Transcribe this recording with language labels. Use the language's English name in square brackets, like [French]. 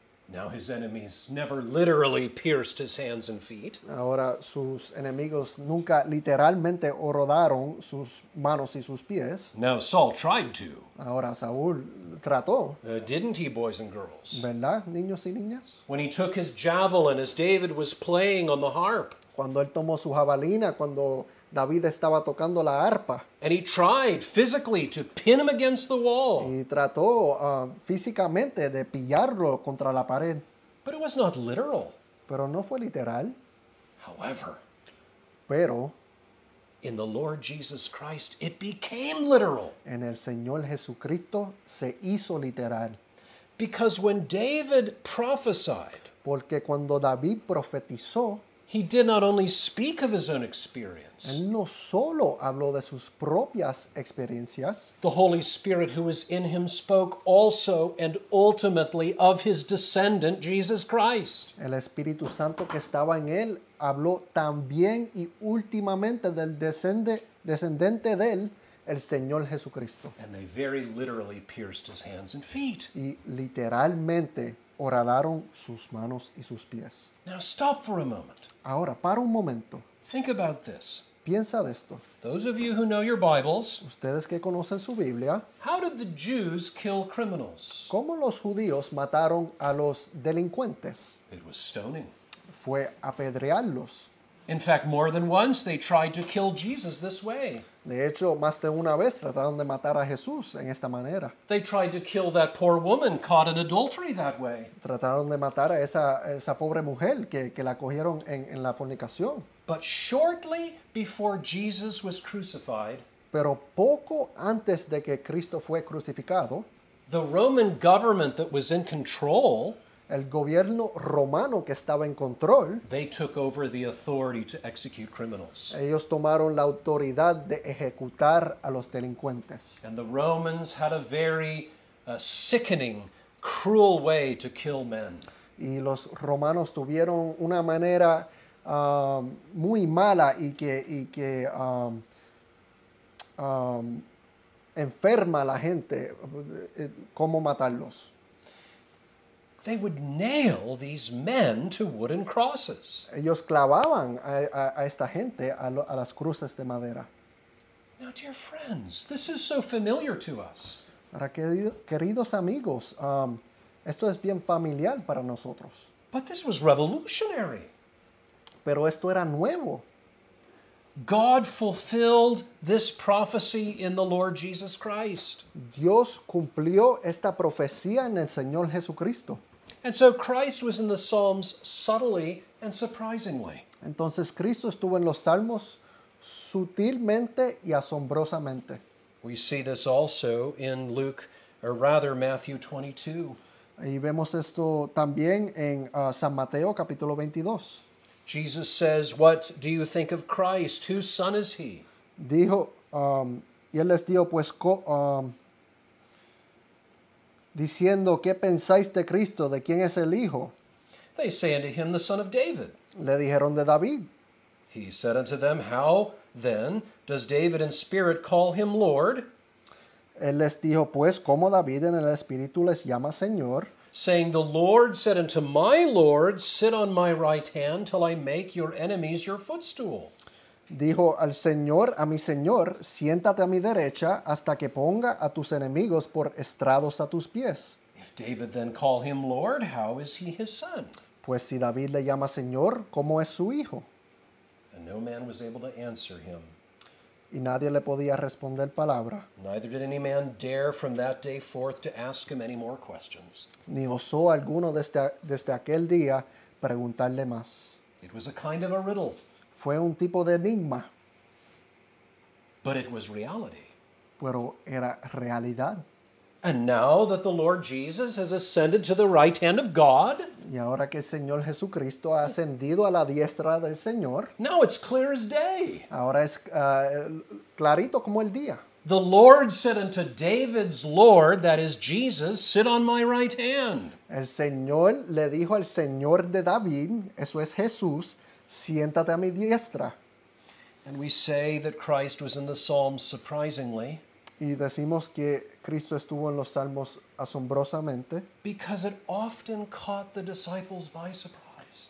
[English] Now his enemies never literally pierced his hands and feet. [Spanish] Ahora sus enemigos nunca literalmente horadaron sus manos y sus pies. [English] Now Saul tried to. [Spanish] Ahora Saúl trató. [English] Didn't he, boys and girls? [Spanish] ¿Verdad, niños y niñas? [English] When he took his javelin as David was playing on the harp. [Spanish] Cuando él tomó su jabalina cuando David estaba tocando la arpa. [English] And he tried physically to pin him against the wall. [Spanish] Y trató físicamente de pillarlo contra la pared. [English] But it was not literal. [Spanish] Pero no fue literal. [English] However. [Spanish] Pero. [English] In the Lord Jesus Christ, it became literal. [Spanish] En el Señor Jesucristo se hizo literal. [English] Because when David prophesied. [Spanish] Porque cuando David profetizó. [English] He did not only speak of his own experience. [Spanish] Él no solo habló de sus propias experiencias. [English] The Holy Spirit who is in him spoke also and ultimately of his descendant, Jesus Christ. [Spanish] El Espíritu Santo que estaba en él habló también y últimamente del descendente de él, el Señor Jesucristo. [English] And they very literally pierced his hands and feet. [Spanish] Y literalmente horadaron sus manos y sus pies. [English] Now stop for a moment. [Spanish] Ahora, para un momento. [English] Think about this. [Spanish] Piensa de esto. [English] Those of you who know your Bibles. [Spanish] Ustedes que conocen su Biblia. [English] How did the Jews kill criminals? [Spanish] ¿Cómo los judíos mataron a los delincuentes? [English] It was stoning. [Spanish] Fue apedrearlos. [English] In fact, more than once they tried to kill Jesus this way. [Spanish] De hecho, más de una vez trataron de matar a Jesús en esta manera. [English] They tried to kill that poor woman caught in adultery that way. [Spanish] Trataron de matar a esa pobre mujer que la cogieron en la fornicación. [English] But shortly before Jesus was crucified, [Spanish] pero poco antes de que Cristo fue crucificado, [English] the Roman government that was in control, [Spanish] el gobierno romano que estaba en control, [English] they took over the authority to execute criminals. [Spanish] Ellos tomaron la autoridad de ejecutar a los delincuentes. [English] And the Romans had a very sickening, cruel way to kill men. [Spanish] Y los romanos tuvieron una manera muy mala y que enferma a la gente, ¿cómo matarlos? [English] They would nail these men to wooden crosses. [Spanish] Ellos clavaban a esta gente a las cruces de madera. [English] Now, dear friends, this is so familiar to us. [Spanish] Queridos amigos, esto es bien familiar para nosotros. [English] But this was revolutionary. [Spanish] Pero esto era nuevo. [English] God fulfilled this prophecy in the Lord Jesus Christ. [Spanish] Dios cumplió esta profecía en el Señor Jesucristo. [English] And so Christ was in the Psalms subtly and surprisingly. [Spanish] Entonces Cristo estuvo en los Salmos sutilmente y asombrosamente. [English] We see this also in Luke, or rather Matthew 22. [Spanish] Y vemos esto también en San Mateo capítulo 22. [English] Jesus says, "What do you think of Christ? Whose son is he?" [Spanish] Dijo, y él les dijo, pues, diciendo, ¿qué pensáis de Cristo? ¿De quién es el hijo? [English] They say unto him, "The son of David." [Spanish] Le dijeron de David. [English] He said unto them, "How then does David in spirit call him Lord?" [Spanish] Él les dijo, pues, ¿cómo David en el espíritu les llama Señor? [English] Saying, "The Lord said unto my Lord, sit on my right hand till I make your enemies your footstool." [Spanish] Dijo al Señor, a mi Señor, siéntate a mi derecha hasta que ponga a tus enemigos por estrados a tus pies. [English] If David then call him Lord, how is he his son? [Spanish] Pues si David le llama Señor, ¿cómo es su hijo? [English] And no man was able to answer him. [Spanish] Y nadie le podía responder palabra. [English] Neither did any man dare from that day forth to ask him any more questions. [Spanish] Ni osó alguno desde aquel día preguntarle más. [English] It was a kind of a riddle. [Spanish] Fue un tipo de enigma. [English] But it was reality. [Spanish] Pero era realidad. [English] And now that the Lord Jesus has ascended to the right hand of God, [Spanish] y ahora que el Señor Jesucristo ha ascendido a la diestra del Señor, [English] now it's clear as day. [Spanish] Ahora es clarito como el día. [English] The Lord said unto David's Lord, that is Jesus, sit on my right hand. [Spanish] El Señor le dijo al Señor de David, eso es Jesús, siéntate a mi diestra. [English] And we say that Christ was in the Psalms surprisingly. [Spanish] Y decimos que Cristo estuvo en los Salmos asombrosamente. [English] Because it often caught the disciples by surprise.